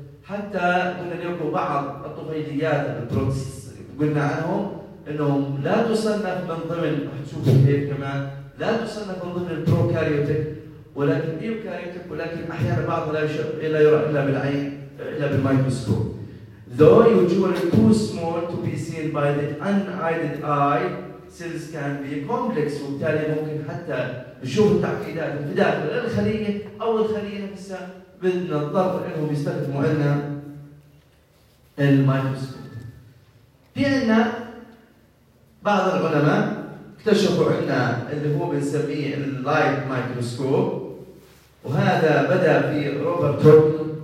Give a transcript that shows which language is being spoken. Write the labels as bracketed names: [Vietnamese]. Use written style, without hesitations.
[Arabic] حتى قلنا اليوم بعض الطفيليات البروتست قلنا عنهم انه لا تصنف من ضمن هتشوف هيك كمان لا تصنف من ضمن البروكاريوتيك ولكن ايوكاريوتيك ولكن احيانا بعض لا يشوف الا يرى الا بالعين الا بالمايكروسكوب. [English] Though usually too small to be seen by the unaided eye, cells can be complex. [Arabic] وبالتالي ممكن حتى نشوف التعقيدات في داخل الخلية أو الخلية نفسها بدنا نضطر إنهم يستخدموا عنا الميكروسكوب. في عنا بعض العلماء اكتشفوا عنا اللي هو بنسميه اللايت مايكروسكوب وهذا بدأ في روبرت هوك.